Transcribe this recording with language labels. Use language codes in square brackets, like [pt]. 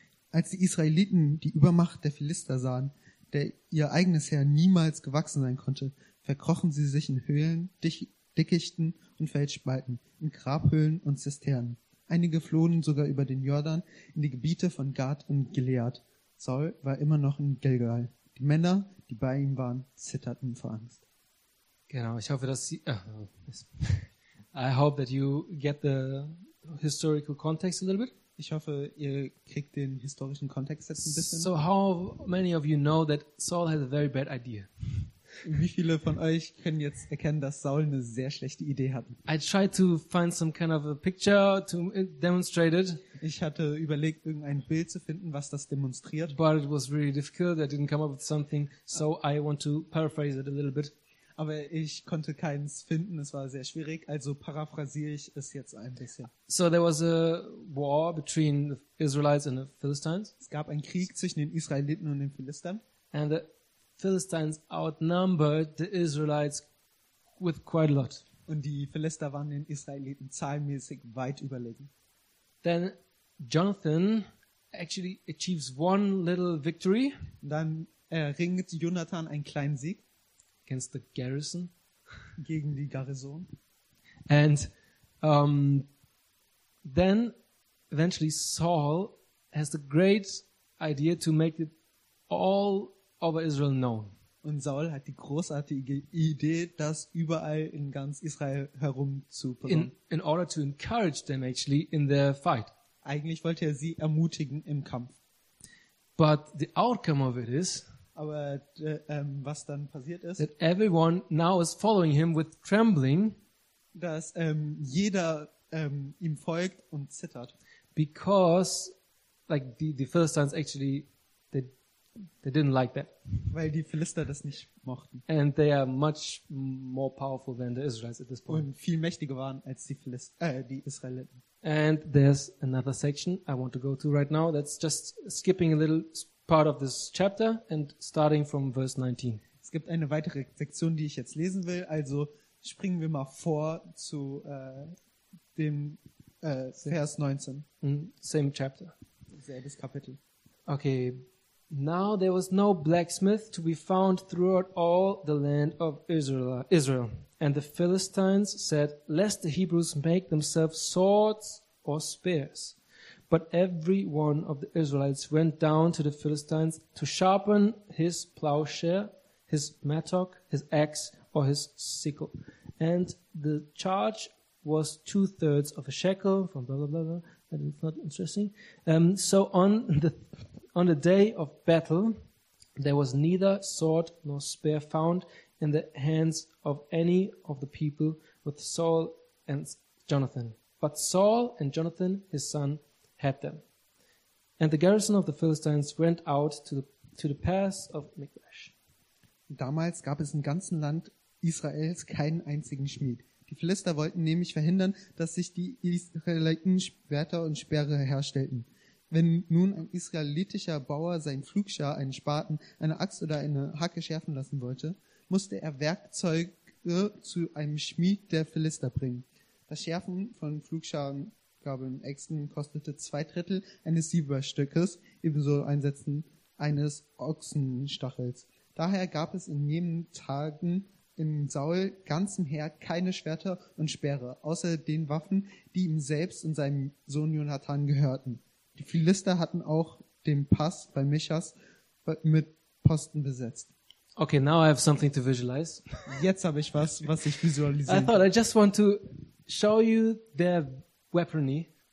[de] Als die Israeliten die Übermacht der Philister sahen, der ihr eigenes Heer niemals gewachsen sein konnte, verkrochen sie sich in Höhlen, Dickichten und Felsspalten, in Grabhöhlen und Zisternen. Einige flohen sogar über den Jordan in die Gebiete von Gad und Gilead. Saul war immer noch in Gilgal. Die Männer, die bei ihm waren, zitterten vor Angst. Genau, ich hoffe, dass Sie... [en] I hope that you get the historical context a little bit. [de] Ich hoffe, ihr kriegt den historischen Kontext jetzt ein bisschen. [en] So how many of you know that Saul had a very bad idea? [de] Wie viele von euch können jetzt erkennen, dass Saul eine sehr schlechte Idee hatte? [en] I tried to find some kind of a picture to demonstrate it. [de] Ich hatte überlegt, irgendein Bild zu finden, was das demonstriert. [en] But it was really difficult. I didn't come up with something. So I want to paraphrase it a little bit. [de] Aber ich konnte keins finden. Es war sehr schwierig. Also paraphrasiere ich es jetzt ein bisschen. [en] So there was a war between the Israelites and the Philistines. [de] Es gab einen Krieg zwischen den Israeliten und den Philistern. [en] And the Philistines outnumbered the Israelites with quite a lot. [de] Und die Philister waren den Israeliten zahlenmäßig weit überlegen. [en] Then Jonathan actually achieves one little victory. [de] Dann erringt Jonathan einen kleinen Sieg. [en] Against the garrison. [de] Gegen die Garrison. [en] And then eventually Saul has the great idea to make it all over Israel known. [de] Und Saul hat die großartige Idee, das überall in ganz Israel herum zu bringen. [en] In order to encourage them actually in their fight. [de] Eigentlich wollte er sie ermutigen im Kampf. [en] But the outcome of it is, [de] aber was dann passiert ist, [en] that everyone now is following him with trembling, [de] dass jeder ihm folgt und zittert, [en] because like the Philistines actually they didn't like that, [de] weil die Philister das nicht mochten, [en] and they are much more powerful than the Israelites at this point, [de] und viel mächtiger waren als die die Israeliten. [en] And there's another section I want to go to right now that's just skipping a little part of this chapter and starting from verse 19. [de] Es gibt eine weitere Sektion, die ich jetzt lesen will, also springen wir mal vor zu dem Vers 19. [en] Same chapter. [de] Selbes Kapitel. [en] Okay. Now there was no blacksmith to be found throughout all the land of Israel. And the Philistines said, lest the Hebrews make themselves swords or spears. But every one of the Israelites went down to the Philistines to sharpen his plowshare, his mattock, his axe, or his sickle. And the charge was 2/3 of a shekel, from blah, blah, blah, blah. That is not interesting. So on the day of battle, there was neither sword nor spear found in the hands of any of the people with Saul and Jonathan. But Saul and Jonathan, his son, had them. And the garrison of the Philistines went out to the pass of Michmash. [de] Damals gab es im ganzen Land Israels keinen einzigen Schmied. Die Philister wollten nämlich verhindern, dass sich die Israeliten Schwerter und Speere herstellten. Wenn nun ein israelitischer Bauer sein Pflugschar, einen Spaten, eine Axt oder eine Hacke schärfen lassen wollte, musste er Werkzeuge zu einem Schmied der Philister bringen. Das Schärfen von Pflugscharen, Gabeln, Äxten kostete 2/3 eines Silberstückes, ebenso einsetzen eines Ochsenstachels. Daher gab es in jenen Tagen in Saul ganzem Heer keine Schwerter und Speere, außer den Waffen, die ihm selbst und seinem Sohn Jonathan gehörten. Die Philister hatten auch den Pass bei Michas mit Posten besetzt. [en] Okay, now I have something to visualize. [de] Jetzt habe ich was, was ich visualisieren kann. [en] I thought I just want to show you their weaponry.